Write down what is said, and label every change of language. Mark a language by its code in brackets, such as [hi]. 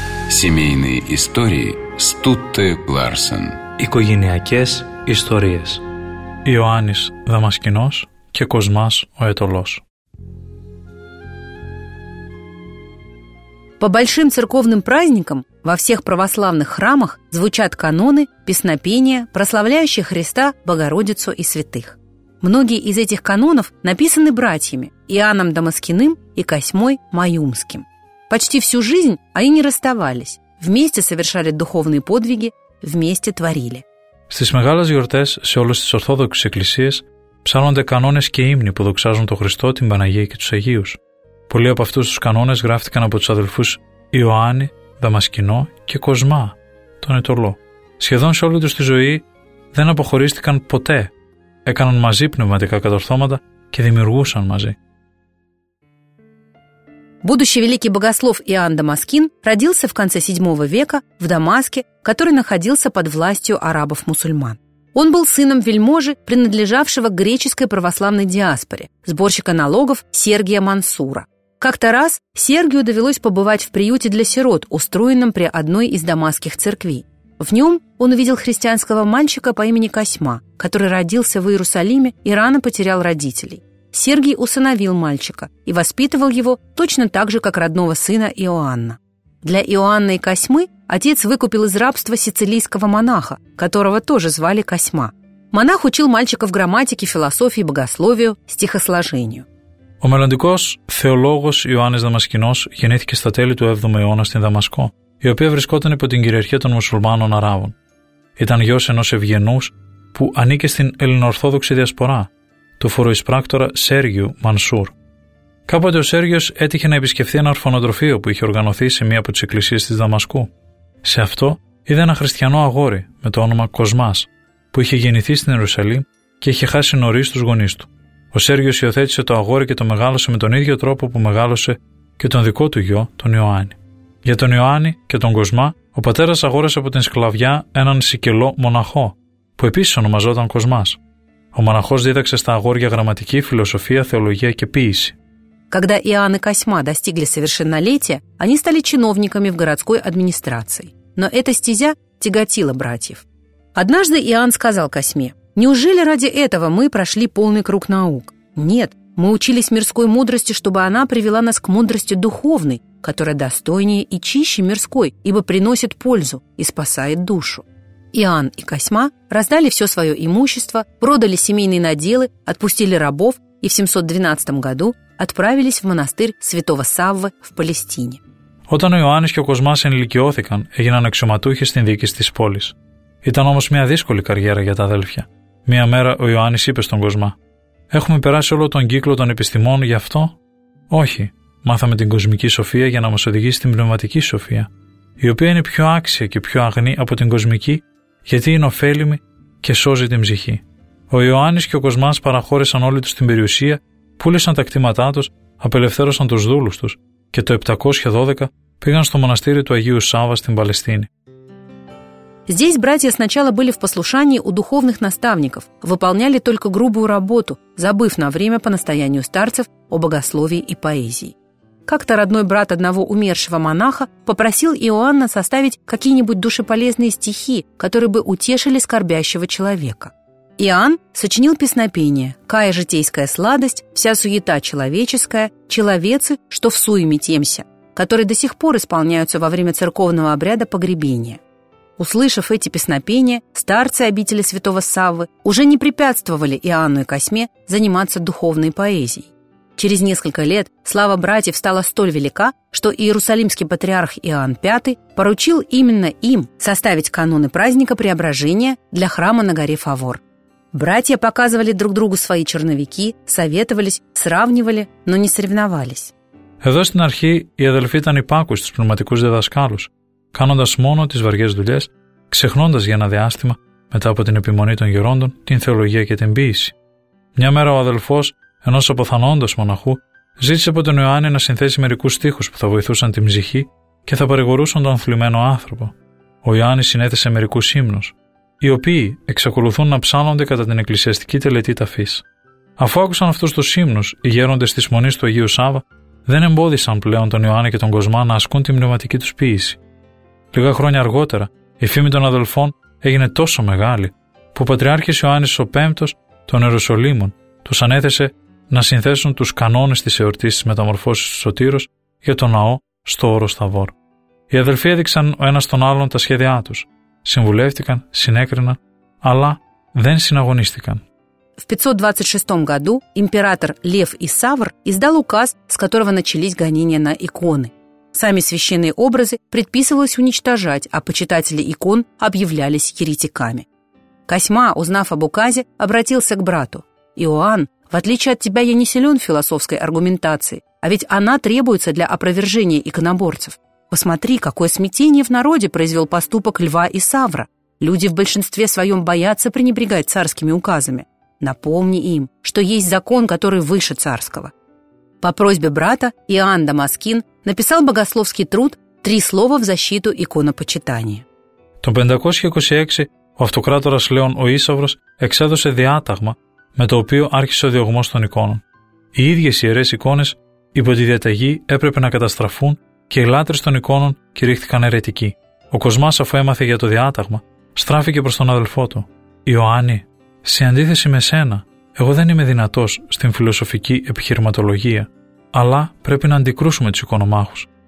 [ru] Семейные истории Стутте Ларсен. [el] Οικογενειακές ιστορίες. Ιωάννης Δαμασκηνός και Κοσμάς ο Αιτωλός. [ru] По большим церковным праздникам во всех православных храмах звучат каноны, песнопения, прославляющие Христа, Богородицу и святых. Многие из этих канонов написаны братьями Иоанном Дамаскиным и Косьмой Маюмским. Почти всю жизнь они не расставались, вместе совершали духовные подвиги, вместе творили. [el] Στις μεγάλες γιορτές σε όλες τις ορθόδοξες εκκλησίες ψάλλονται κανόνες και ύμνοι που δοξάζουν τον Χριστό, την Παναγία και τους Αγίους. Πολλοί από αυτούς τους κανόνες γράφτηκαν από τους αδελφούς Ιωάννη, Δαμασκηνό και Κοσμά, τον Αιτωλό. Σχεδόν σε όλη τους τη ζωή δεν αποχωρίστηκαν ποτέ. Έκαναν μαζί πνευματικά κατορθώματα και δημιουργούσαν μαζί. [ru] Будущий великий богослов Иоанн Дамаскин родился в конце VII века в Дамаске, который находился под властью арабов-мусульман. Он был сыном вельможи, принадлежавшего к греческой православной диаспоре, сборщика налогов Сергия Мансура. Как-то раз Сергию довелось побывать в приюте для сирот, устроенном при одной из дамасских церквей. В нем он увидел христианского мальчика по имени Косьма, который родился в Иерусалиме и рано потерял родителей. Сергий усыновил мальчика и воспитывал его точно так же, как родного сына Иоанна. Для Иоанна и Косьмы отец выкупил из рабства сицилийского монаха, которого тоже звали Косьма. Монах учил мальчика в грамматике, философии, богословию, стихосложению. [el] Ο μελλοντικός θεολόγος Ιωάννης Δαμασκηνός γεννήθηκε στα τέλη του 7ου αιώνα στην Δαμασκό, η οποία βρισκόταν υπό την κυριαρχία των μουσουλμάνων Αράβων. Ήταν γιος ενός ευγενούς που ανήκε στην ελληνοορθόδοξη διασπορά, του φοροϊσπράκτορα Σέργιου Μανσούρ. Κάποτε ο Σέργιος έτυχε να επισκεφθεί ένα ορφανοτροφείο που είχε οργανωθεί σε μία από τις εκκλησίες της Δαμασκού. Σε αυτό είδε ένα χριστιανό αγόρι με το όνομα Κοσμάς, που είχε γεννηθεί στην Ιερουσαλήμ και είχε χάσει νωρίς τους γονείς του. Ο Σέργιος υιοθέτησε το αγόρι και το μεγάλωσε με τον ίδιο τρόπο που μεγάλωσε και τον δικό του γιο, τον Ιωάννη. Για τον Ιωάννη και τον Κοσμά, ο πατέρας αγόρασε από την σκλαβιά έναν σικελό μοναχό, που επίσης ονομαζόταν Κοσμάς. Ο μοναχός δίδαξε στα αγόρια γραμματική, φιλοσοφία, θεολογία και ποίηση. [ru] Когда Иоанн и Косьма достигли совершеннолетия, они стали чиновниками в городской администрации. Но эта стезя тяготила братьев. Однажды Иоанн сказал Косьме: Неужели ради этого мы прошли полный круг наук? Нет, мы учились мирской мудрости, чтобы она привела нас к мудрости духовной, которая достойнее и чище мирской, ибо приносит пользу и спасает душу. Иоанн и Косьма раздали все свое имущество, продали семейные наделы, отпустили рабов и в 712 году отправились в монастырь святого Саввы в Палестине. [el] Όταν ο Ιωάννης και ο Κοσμάς ενηλικιώθηκαν, έγιναν αξιωματούχοι στην διοίκηση της πόλης. Ήταν όμως μια δύσκολη καριέρα για τα αδέλφια. Μια μέρα ο Ιωάννης είπε στον Κοσμά: «Έχουμε περάσει όλο τον κύκλο των επιστημών γι' αυτό?» «Όχι. Μάθαμε την κοσμική σοφία για να μας οδηγήσει στην πνευματική σοφία, η οποία είναι πιο άξια και πιο αγνή από την κοσμική, γιατί είναι ωφέλιμη και σώζει την ψυχή». Ο Ιωάννης και ο Κοσμάς παραχώρησαν όλη τους την περιουσία, πούλησαν τα κτήματά τους, απελευθέρωσαν τους δούλους τους. Και το 712 πήγαν στο μοναστήρι του Αγίου Σάββα στην Παλαιστίνη. [ru] Здесь братья сначала были в послушании у духовных наставников, выполняли только грубую работу, забыв на время по настоянию старцев о богословии и поэзии. Как-то родной брат одного умершего монаха попросил Иоанна составить какие-нибудь душеполезные стихи, которые бы утешили скорбящего человека. Иоанн сочинил песнопение [cu] «Кая житейская сладость, вся суета человеческая, человецы, что в суеме темся», [ru] которые до сих пор исполняются во время церковного обряда погребения. Услышав эти песнопения, старцы обители святого Саввы уже не препятствовали Иоанну и Косьме заниматься духовной поэзией. Через несколько лет слава братьев стала столь велика, что иерусалимский патриарх Иоанн V поручил именно им составить каноны праздника Преображения для храма на горе Фавор. Братья показывали друг другу свои черновики, советовались, сравнивали, но не соревновались. [el] Εδώ στην αρχή οι αδελφοί ήταν υπάκουοι στους πνευματικούς διδασκάλους, κάνοντας μόνο τις βαριές δουλειές, ξεχνώντας για ένα διάστημα, μετά από την επιμονή των γερόντων, την θεολογία και την ποίηση. Μια μέρα ο αδελφός, ενός αποθανόντος μοναχού, ζήτησε από τον Ιωάννη να συνθέσει μερικούς στίχους που θα βοηθούσαν την ψυχή και θα παρηγορούσαν τον θλιμμένο άνθρωπο. Ο Ιωάννης συνέθεσε μερικούς ύμνους, οι οποίοι εξακολουθούν να ψάλλονται κατά την εκκλησιαστική τελετή ταφής. Αφού άκουσαν αυτούς τους ύμνους, οι γέροντες της μονής του Αγίου Σάββα δεν εμπόδισαν πλέον τον Ιωάννη και τον Κοσμά να ασκούν την πνευματική τους ποίηση. Λίγα χρόνια αργότερα, η φήμη των αδελφών έγινε τόσο μεγάλη, που ο Πατριάρχης Ιωάννης ο Πέμπτος των Ιερουσαλήμων τους ανέθεσε να συνθέσουν τους κανόνες της εορτής της μεταμορφώσεως του Σωτήρος για τον ναό στο όρος Σταβόρ. Οι αδελφοί έδειξαν ο ένας τον άλλον τα σχέδιά τους. Συμβουλεύτηκαν, συνέκριναν, αλλά δεν συναγωνίστηκαν. [ru] В 526 году император Лев Исавр издал указ, с которого начались гонения на иконы. Сами священные образы предписывалось уничтожать, а почитатели икон объявлялись еретиками. Косьма, узнав об указе, обратился к брату: «Иоанн, в отличие от тебя я не силен в философской аргументации, а ведь она требуется для опровержения иконоборцев. Посмотри, какое смятение в народе произвел поступок Льва Исавра. Люди в большинстве своем боятся пренебрегать царскими указами. Напомни им, что есть закон, который выше царского». По просьбе брата Иоанн Дамаскин написал богословский труд «Три слова в защиту иконопочитания». [el] Το 526 ο αυτοκράτορας Λέων ο Ίσαυρος εξέδωσε διάταγμα με το οποίο άρχισε ο διωγμός των εικόνων. Οι ίδιες ιερές εικόνες υπό τη διαταγή έπρεπε να καταστραφούν και οι λάτρες των εικόνων κηρύχθηκαν αιρετικοί. Ο Κοσμάς, αφού έμαθε για το διάταγμα, στράφηκε προς τον αδελφό του: «Ιωάννη, σε αντίθεση με σένα, εγώ δεν είμαι δυνατός στην φιλοσοφική επιχειρηματολογία, αλλά πρέπει να αντικρούσουμε τους εικονομάχους.